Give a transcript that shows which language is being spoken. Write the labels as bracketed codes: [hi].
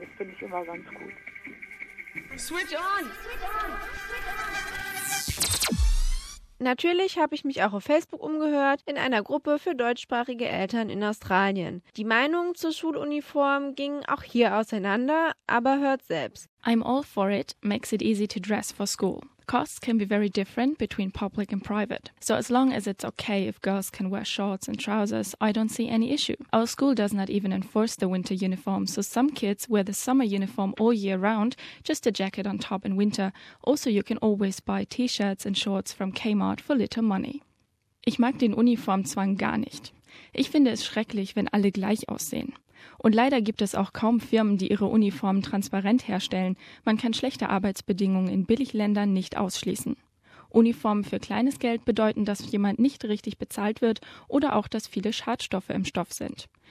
[de] Das finde ich immer ganz gut. [en] Switch on! Switch on! [de] Natürlich habe ich mich auch auf Facebook umgehört, in einer Gruppe für deutschsprachige Eltern in Australien. Die Meinungen zur Schuluniform gingen auch hier auseinander, aber hört selbst. [en] I'm all for it, makes it easy to dress for school. Costs can be very different between public and private. So as long as it's okay if girls can wear shorts and trousers, I don't see any issue. Our school does not even enforce the winter uniform, so some kids wear the summer uniform all year round, just a jacket on top in winter. Also you can always buy t-shirts and shorts from Kmart for little money. [de] Ich mag den Uniformzwang gar nicht. Ich finde es schrecklich, wenn alle gleich aussehen. Und leider gibt es auch kaum Firmen, die ihre Uniformen transparent herstellen. Man kann schlechte Arbeitsbedingungen in Billigländern nicht ausschließen. Uniformen für kleines Geld bedeuten, dass jemand nicht richtig bezahlt wird oder auch, dass viele Schadstoffe im Stoff sind.